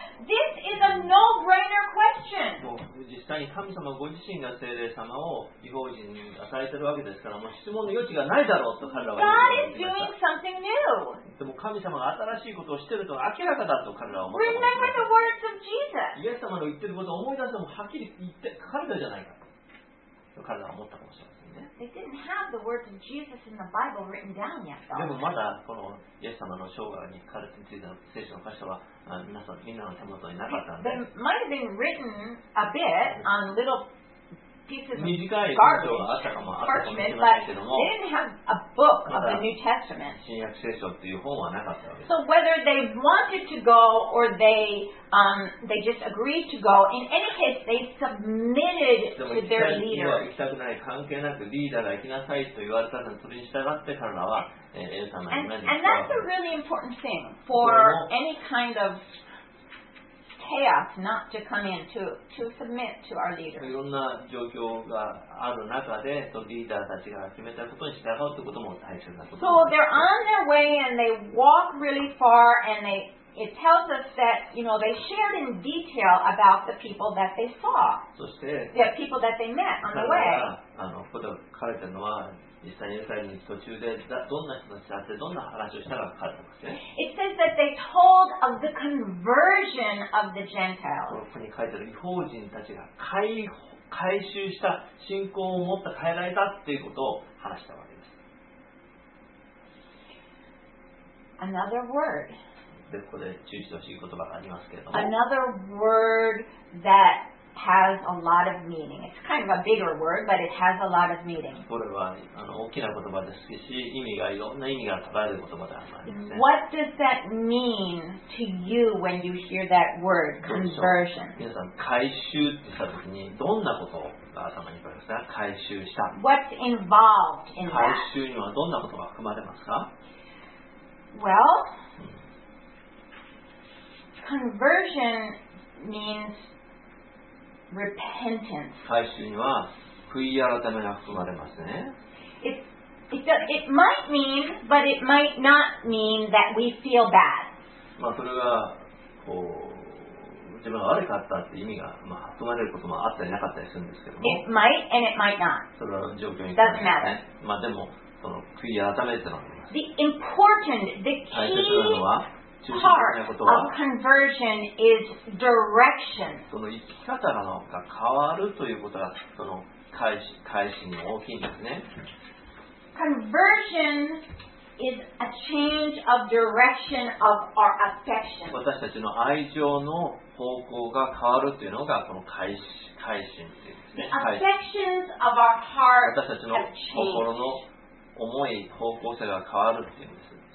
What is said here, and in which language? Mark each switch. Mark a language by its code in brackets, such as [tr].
[en] This is a no-brainer question. [ja] 実際に神様ご自身が聖霊様を異邦人に与えているわけですから、もう質問の余地がないだろうと彼らは言っていました。 [en] God is doing something new. [ja] でも神様が新しいことをしていると明らかだと彼らは思っています。 [en] Remember the words of Jesus. [ja] イエス様の言っていることを思い出すのもはっきり言って書かれたじゃないかと彼らは思ったかもしれませんね。 [en] They didn't have the words of Jesus in the Bible written down yet. [ja] でもまだこのイエス様の生涯に書かれていた聖書の箇所は皆さんみんなの手元になかったんで。 [en] It might have been written a bit on little pieces of garbage, [ja] 短い文章があったかもあったかもしれませんけども。 [en] They didn't have a book of the New Testament. [ja] 新約聖書という本はなかったわけです。 [en] So whether they wanted to go or they just agreed to go, in any case, they submitted to their leader. [ja] でも行きたくない関係なくリーダーが行きなさいと言われたので、それに従って彼らは。 [en] And that's a really important thing for any kind of chaos not to come in to submit to our leader. [ja] いろんな状況がある中で、そのリーダーたちが決めたことに従うということも大切なことです。 [en] So they're on their way and they walk really far and it tells us that you know they shared in detail about the people that they saw. [ja] そして、 [en] the people that they met on the way. [ja] ここで書かれてるのは。実際にエルサレムに途中でどんな人たちがあってどんな話をしたか書かれてますね。 [en] It says that they told of the conversion of the Gentiles. [ja] ここに書いてある異邦人たちが改宗した信仰を持った変えられたっていうことを話したわけです。 [en] Another word. [ja] でここで注意してほしい言葉がありますけれども。 [en] Another word thathas a lot of meaning. It's kind of a bigger word, but it has a lot of meaning. [ja] これは大きな言葉ですし、意味がいろんな意味が捉える言葉でありますね。 [en] What does that mean to you when you hear that word, conversion? [ja] 皆さん、改宗ってした時にどんなことが頭に浮かびますか？改宗した。 [en] What's involved in that? [ja] 改宗にはどんなことが含まれますか？ [en] Well, conversion means repentance. [ja] 改宗には悔い改めが含まれますね。 [en] It might mean, but it might not mean that we feel bad. [ja] まあそれがこう自分が悪かったって意味がまあ含まれることもあったりなかったりするんですけども。 [en] It might and it might not. [ja] それは状況に関してね。Doesn't まあでもその悔い改めってのは。 [en] The important, the key. Part of conversion is direction. [ja] その生き方なのか変わるということがその改心の大きいんですね。 [en] Conversion is a change of direction of our affection. [ja] 私たちの愛情の方向が変わるというのがこの改心っていうんですね。 [en] The affections of our heart have changed. [ja] 私たちの心の思い方向性が変わるっていうんです。